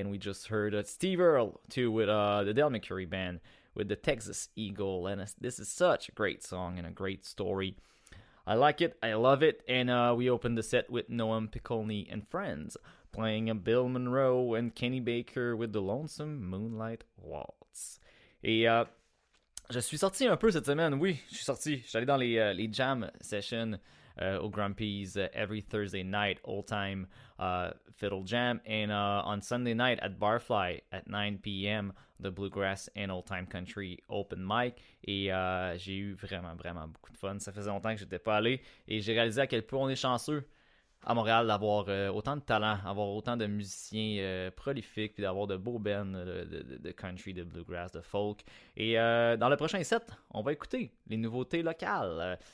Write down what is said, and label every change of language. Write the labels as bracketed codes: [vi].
[en] And we just heard Steve Earle too with the Del Mercury Band with the Texas Eagle. And this is such a great song and a great story. I like it. I love it. And we opened the set with Noam Piccolny and Friends playing a Bill Monroe and Kenny Baker with the Lonesome Moonlight Waltz. [fr] Je suis sorti un peu cette semaine, oui, je suis sorti. Je suis allé dans les jam sessions au Grumpy's [en] every Thursday night, all-time fiddle jam. And on Sunday night at Barfly at 9 p.m., the Bluegrass and All-Time Country open mic. [fr] Et j'ai eu vraiment, vraiment beaucoup de fun. Ça faisait longtemps que je n'étais pas allé. Et j'ai réalisé à quel point on est chanceux à Montréal d'avoir autant de talent, avoir autant de musiciens prolifiques, puis d'avoir de beaux bands de country, de bluegrass, de folk. Et dans le prochain set, on va écouter les nouveautés locales.